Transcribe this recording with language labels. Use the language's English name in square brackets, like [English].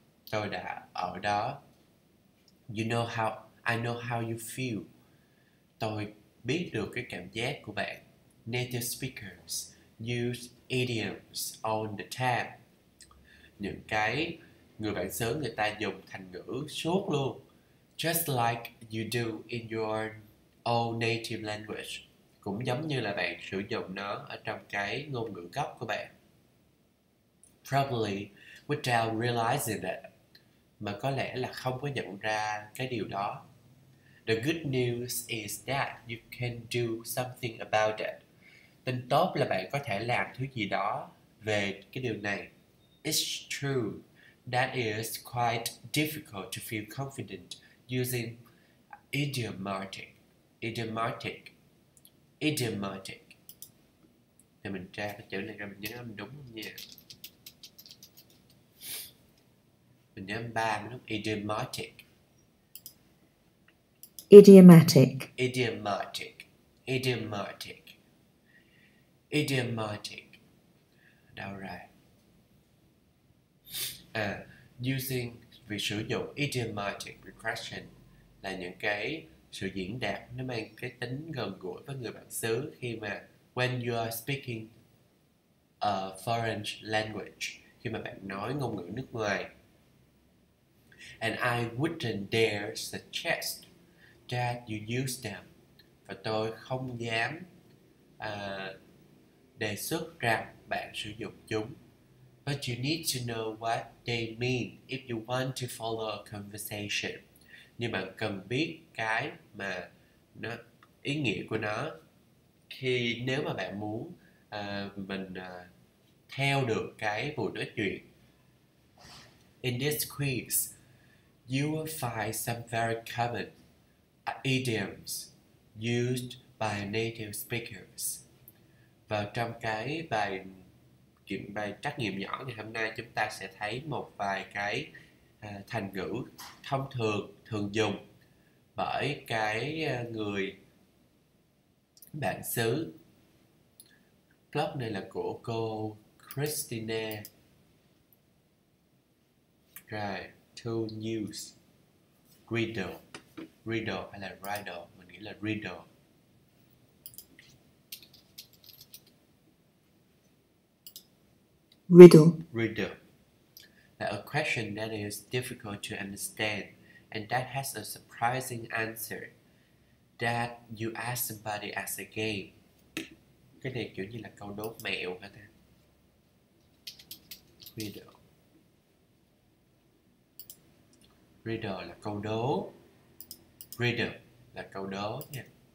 [Vietnamese] Tôi đã ở đó. [English] I know how you feel. [Vietnamese] Tôi biết được cái cảm giác của bạn. [English] Native speakers use idioms all the time. [Vietnamese] Những cái người bản xứ người ta dùng thành ngữ suốt luôn. [English] Just like you do in your own native language. [Vietnamese] Cũng giống như là bạn sử dụng nó ở trong cái ngôn ngữ gốc của bạn. [English] Probably without realizing it. [Vietnamese] Mà có lẽ là không có nhận ra cái điều đó. [English] The good news is that you can do something about it. [Vietnamese] Tin tốt là bạn có thể làm thứ gì đó về cái điều này. [English] It's true that it is quite difficult to feel confident using idiomatic Idiomatic. Idiomatic. [Vietnamese] Thì mình tra cái chữ này ra mình nhớ âm đúng không nha? Mình nhớ âm 3 mới đúng. Idiomatic. [English] Idiomatic. Idiomatic. Idiomatic. Idiomatic. [Vietnamese] Đâu ra? À, using, việc sử dụng idiomatic regression là những cái sự diễn đạt nó mang cái tính gần gũi với người bản xứ khi mà [English] when you are speaking a foreign language, [Vietnamese] khi mà bạn nói ngôn ngữ nước ngoài. [English] And I wouldn't dare suggest that you use them. [Vietnamese] Và tôi không dám đề xuất rằng bạn sử dụng chúng. [English] But you need to know what they mean if you want to follow a conversation. [Vietnamese] Nhưng bạn cần biết cái mà nó, ý nghĩa của nó khi nếu mà bạn muốn mình theo được cái buổi nói chuyện. [English] In this quiz, you will find some very common idioms used by native speakers. [Vietnamese] Và trong cái bài trắc nghiệm nhỏ ngày hôm nay, chúng ta sẽ thấy một vài cái thành ngữ thông thường thường dùng bởi cái người bản xứ. Blog này là của cô Christina. [English] Right, to news. Riddle. [Vietnamese] Riddle hay là riddle, mình nghĩ là riddle. [English] Riddle. Riddle. A question that is difficult to understand and that has a surprising answer that you ask somebody as a game. [Vietnamese] Cái này kiểu như là câu đố mẹo hả ta? [English] Riddle. [Vietnamese] Riddle là câu đố. Riddle là câu đố nha.